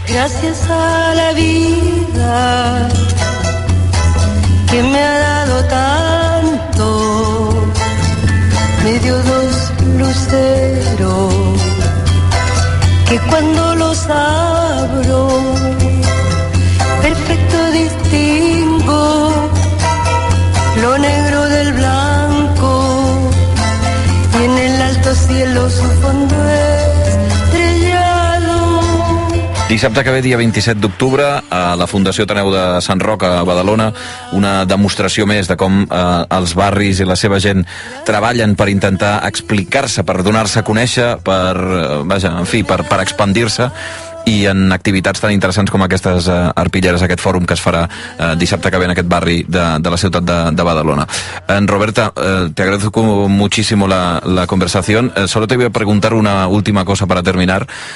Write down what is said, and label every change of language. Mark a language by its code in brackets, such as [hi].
[es] Gracias a la vida que me ha dado tanto, me dio dos luceros que cuando los abro perfecto distingo lo negro del blanco, y en el alto cielo su fondo es estrellado. [ca] Dissabte que ve, dia 27 d'octubre, a la Fundació Ateneu de Sant Roc, a Badalona, una demostració més de com els barris i la seva gent treballen per intentar explicar-se, per donar-se a conèixer, per expandir-se, i en activitats tan interessants com aquestes arpilleres, aquest fòrum que es farà dissabte que ve en aquest barri de la ciutat de Badalona. [es] En Roberta, te agradezco muchísimo la conversación. Solo te voy a preguntar una última cosa para terminar.